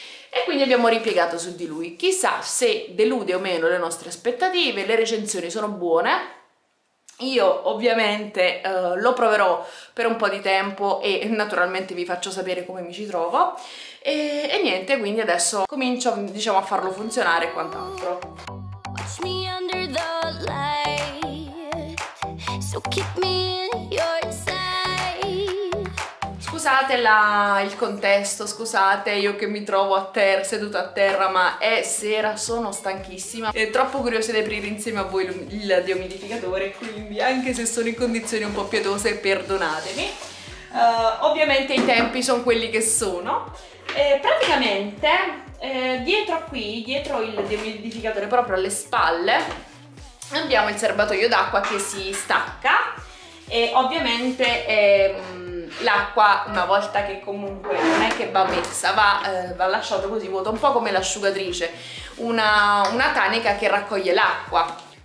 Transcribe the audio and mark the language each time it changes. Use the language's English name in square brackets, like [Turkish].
[Italian] E quindi abbiamo ripiegato su di lui. Chissà se delude o meno le nostre aspettative, le recensioni sono buone. Io ovviamente lo proverò per un po' di tempo e naturalmente vi faccio sapere come mi ci trovo. E niente, quindi adesso comincio, diciamo, a farlo funzionare e quant'altro. [English] Watch me under the light, so keep me in your sight. [Italian] Scusate il contesto, scusate io che mi trovo a terra, seduta a terra, ma è sera, sono stanchissima. È troppo curiosa di aprire insieme a voi il deumidificatore, quindi anche se sono in condizioni un po' pietose, perdonatemi. Ovviamente i tempi sono quelli che sono. Praticamente dietro il deumidificatore, proprio alle spalle, abbiamo il serbatoio d'acqua che si stacca e ovviamente l'acqua, una volta che comunque non è che va messa, va lasciato così vuoto, un po' come l'asciugatrice, una tanica che raccoglie l'acqua.